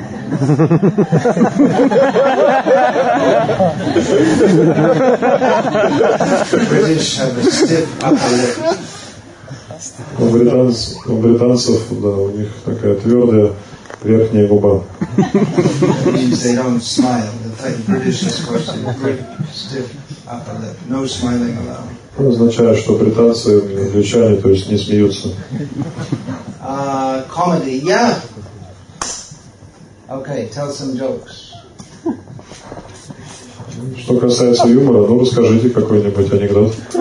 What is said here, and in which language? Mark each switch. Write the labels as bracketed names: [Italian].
[English] The British have a stiff upper lip. [Russian] У британцев, да, у них такая твердая верхняя губа. [English] They don't smile. The British, of course, a pretty stiff upper lip. No smiling allowed. [Russian] Это означает, что британцы, англичане, то есть не смеются. [English] Comedy, yeah. Okay, tell some jokes. [Russian] Что касается юмора, ну расскажите какой-нибудь анекдот.